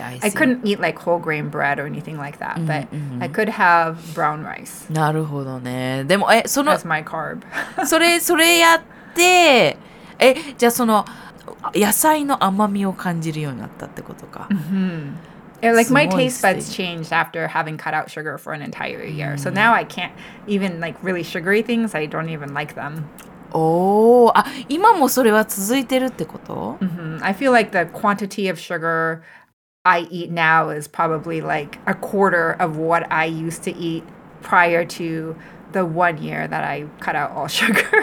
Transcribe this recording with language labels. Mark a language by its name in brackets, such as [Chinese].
[English] I couldn't eat like whole grain bread or anything like that, mm-hmm, but mm-hmm. I could have brown rice. [Japanese] なるほどね。でも、その、 [English] That's my carb. [Japanese] それやって、え、じゃあその野菜の甘みを感じるようになったってことか。 [English] Mm-hmm. Yeah, like my taste buds changed after having cut out sugar for an entire year.、Mm-hmm. So now I can't even like really sugary things. I don't even like them. [Japanese] Oh, 今もそれは続いてるってこと、 mm-hmm. [English] I feel like the quantity of sugar I eat now is probably like a quarter of what I used to eat prior to the 1 year that I cut out all sugar.